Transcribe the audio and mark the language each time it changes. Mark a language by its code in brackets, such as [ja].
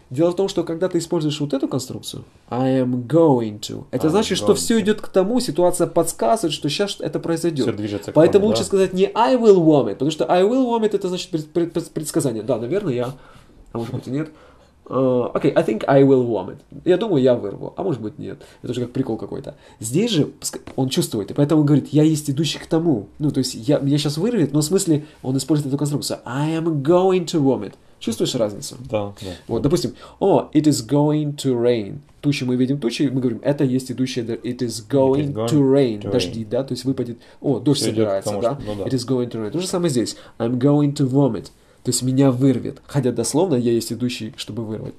[ru] Дело в том, что когда ты используешь вот эту конструкцию [en] «I am going to», [ru] это I значит, что все идет к тому, ситуация подсказывает, что сейчас это произойдет. Все движется к тому, поэтому лучше да? сказать не [en] «I will vomit», [ru] потому что «I will vomit» — это значит предсказание. Да, наверное, я, а может быть и нет. [en] Окей, okay, I think I will vomit. [ru] Я думаю, я вырву, а может быть нет. Это же как прикол какой-то. Здесь же он чувствует, и поэтому он говорит, я есть идущий к тому. Ну, то есть, я сейчас вырвет, но в смысле, он использует эту конструкцию. [en] I am going to vomit. [ru] Чувствуешь разницу? Да, да. Вот, допустим, [en] it is going to rain. [ru] Тучи, мы видим тучи, мы говорим, это есть идущее, [en] it is going to rain. [ru] Дожди, да, то есть выпадет, дождь все собирается, идет, да? Что, ну, да? [en] It is going to rain. [ru] То же самое здесь. [en] I'm going to vomit. [ru] То есть меня вырвет. Хотя дословно я есть идущий, чтобы вырвать.